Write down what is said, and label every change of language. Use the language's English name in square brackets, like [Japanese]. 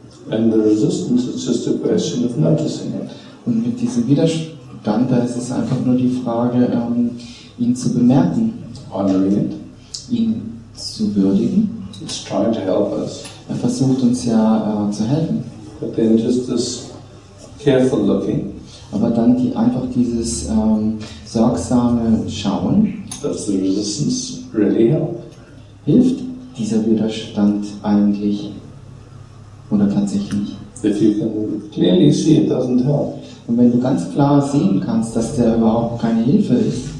[English] And the resistance is just a question of noticing it. [German] Und mit diesem Widerstand, da ist es einfach nur die Frage, ihn zu bemerken. [English] Honoring it. [German] Ihn zu würdigen. [English] It's trying to help us. [German] Er versucht uns ja zu helfen. [English] But then just this careful looking. [German] Aber dann einfach dieses sorgsame Schauen. [English] Does the resistance really help? [German] Hilft dieser Widerstand eigentlich oder tatsächlich? [English] If you can clearly see, it doesn't help. [German] Und wenn du ganz klar sehen kannst, dass der überhaupt keine Hilfe ist,